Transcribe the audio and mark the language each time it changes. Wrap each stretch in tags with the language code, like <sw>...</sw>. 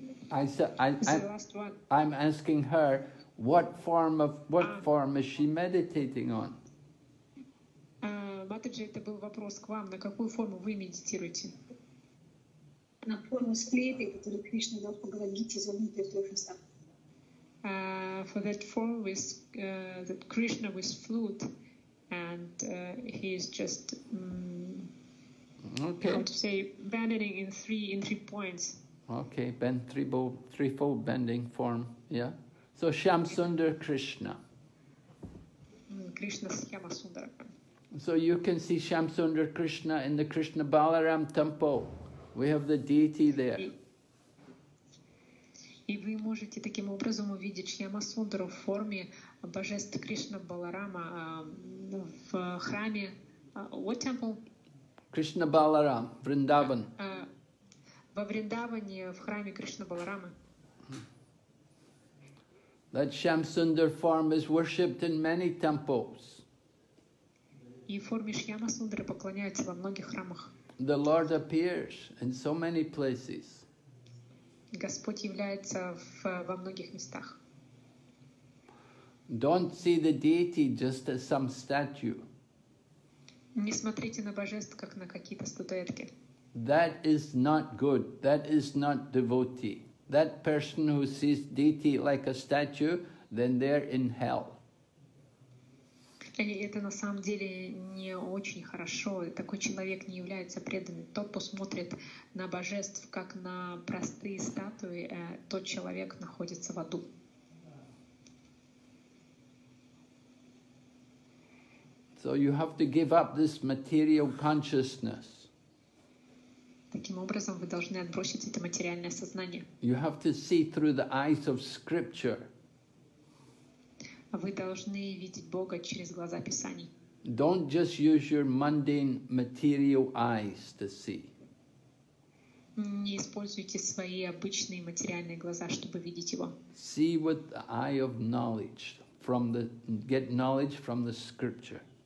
<en>I said, I'm asking her, what form is she meditating on?</en> <ru>Матаджи, это был вопрос к вам. На какую форму вы медитируете? На форму склепи, которую Кришна дал поговорить из внутри лотоса.</ru> <en>For that form with the Krishna with flute, and he is just okay. How to say bending in three points. Okay, bend threefold bending form. Yeah. So Shyamasundar Krishna. Krishna Shyamasundara. So you can see Shyamasundara Krishna in the Krishna Balaram temple. We have the deity there.</en> <ru>И вы можете таким образом увидеть Шьямасундару в форме божества Кришна Баларама в храме.</ru> <en>What temple?</en> <ru>Кришна Баларам, Вриндаван. Во Вриндаване, в храме Кришна Баларамы.</ru> <en>That Shyamasundar form is worshipped in many temples.</en> <ru>И в форме Шьямасундары поклоняются во многих храмах.</ru> <en>The Lord appears in so many places.</en> <ru>Господь является во многих местах.</ru> <en>Don't see the deity just as some statue.</en> <ru>Не смотрите на божество как на какие-то статуэтки.</ru> <en>That is not good. That is not devotee. That person who sees deity like a statue, then they're in hell.</en> <ru>Это на самом деле не очень хорошо. Такой человек не является преданным. Тот, кто смотрит на божеств, как на простые статуи, тот человек находится в аду.</ru> <en>So you have to give up this material consciousness.</en> <ru>Таким образом, вы должны отбросить это материальное сознание.</ru> <en>You have to see through the eyes of scripture.</en> <ru>Вы должны видеть Бога через глаза Писаний.</ru> <en>Don't just use your mundane material eyes to see.</en> <ru>Не используйте свои обычные материальные глаза, чтобы видеть Его.</ru> <en>See with the eye of knowledge, get knowledge from the scripture.</en>